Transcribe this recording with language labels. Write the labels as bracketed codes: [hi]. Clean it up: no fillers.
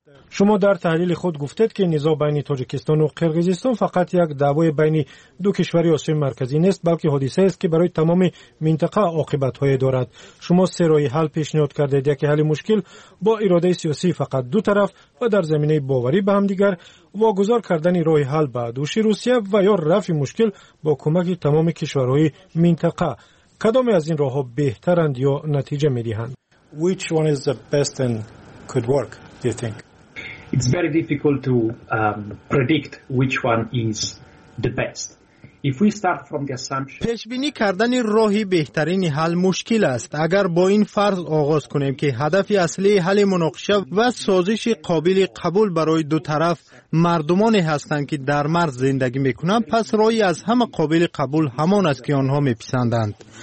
[fa] شما در تحلیل خود گفتید که نزاع بین تاجیکستان و قرقیزستان فقط یک دعوای بین دو کشور آسیای مرکزی نیست بلکه حادثه است که برای تمام منطقه عاقبت های دارد شما سه راه حل پیشنهاد کردید یکی حل مشکل با اراده سیاسی فقط دو طرف و در زمینه باوری به همدیگر واگذار کردن راه حل به دوش روسیه و یا رفع مشکل با کمک تمام کشورهای منطقه کدام از این راه ها بهترند یا نتیجه می دهند؟ [en] Which one is the best and could work, you think? It's very difficult to predict which one is the best. If we start from the assumption, [fa] پیش‌بینی کردن راهی بهترین حل مشکل است. اگر با این فرض آغاز کنیم که هدف اصلی حل مناقشه و سازش قابل قبول برای دو طرف مردمانی هستند که در مرز زندگی میکنند، پس راهی از همه قابل قبول همان است که آنها میپسندند.